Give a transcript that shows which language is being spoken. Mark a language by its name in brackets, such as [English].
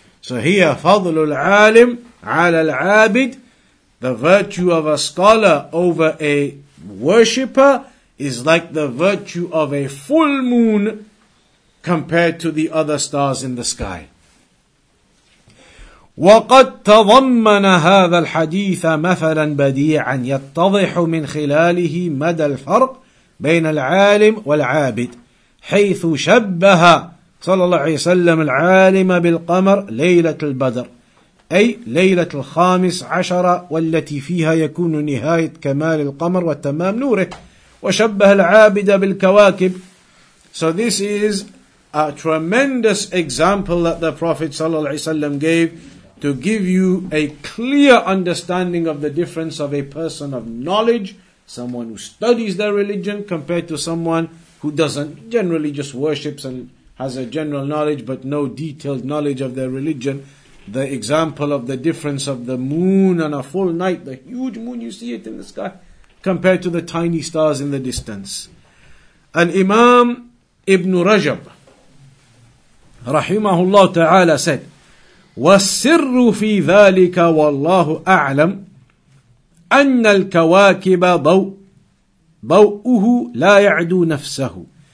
[English] So here, [Arabic] fadlul alim ala al-abid, [English] the virtue of a scholar over a worshipper is like the virtue of a full moon compared to the other stars in the sky. [Arabic] وَقَدْ تَضَمَّنَ هَذَا الْحَدِيثَ مَثَلًا بَدِيعًا يَتَّضِحُ مِنْ خِلَالِهِ مَدَى الْفَرْقِ بَيْنَ الْعَالِمِ وَالْعَابِدِ حَيْثُ شَبَّهَ صلى الله عليه وسلم الْعَالِمَ بِالْقَمَرِ لَيْلَةِ الْبَدْرِ أي ليلة الخامس عشرة والتي فيها يكون نهاية كمال القمر وتمام نوره وشبه العابد بالكواكب. [English] So this is a tremendous example that the Prophet ﷺ gave to give you a clear understanding of the difference of a person of knowledge, someone who studies their religion, compared to someone who doesn't, generally just worships and has a general knowledge but no detailed knowledge of their religion. The example of the difference of the moon on a full night, the huge moon you see it in the sky, compared to the tiny stars in the distance. An Imam Ibn Rajab رحمه الله تعالى said, [Arabic] والسر في ذلك والله أعلم أن الكواكب ضوء ضوءه لا يعدو نفسه